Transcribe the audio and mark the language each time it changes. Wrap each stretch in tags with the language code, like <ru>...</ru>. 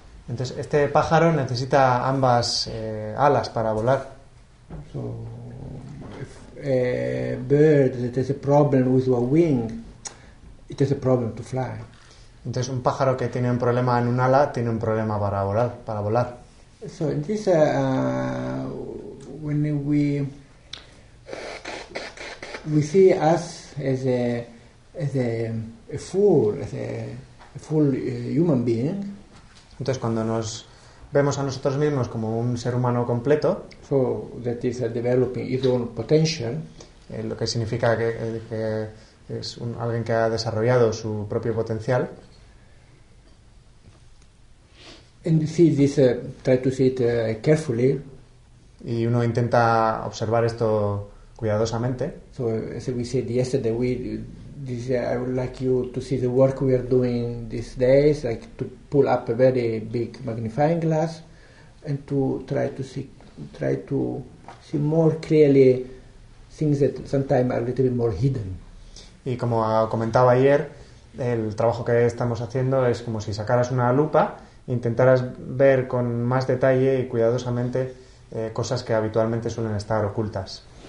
<es>Entonces este pájaro necesita ambas alas para volar.</es> <en>So if a bird that has a problem with a wing, it has a problem to fly.</en> <es>Entonces un pájaro que tiene un problema en un ala tiene un problema para volar, para volar.</es> <en>So this when we see us as a full human being.</en> <es>Entonces cuando nos vemos a nosotros mismos como un ser humano completo,</es> <en>so that is developing its own potential,</en> <es>lo que significa que es un, alguien que ha desarrollado su propio potencial.</es> <en>And see this, try to see it carefully.</en> <es>Y uno intenta observar esto cuidadosamente.</es> <en>So as we said yesterday, I would like you to see the work we are doing these days, like to pull up a very big magnifying glass and to try to see more clearly things that sometimes are a little bit more hidden.</en> <es>Y como comentaba ayer, el trabajo que estamos haciendo es como si sacaras una lupa, intentarás ver con más detalle y cuidadosamente cosas que habitualmente suelen estar ocultas.</es>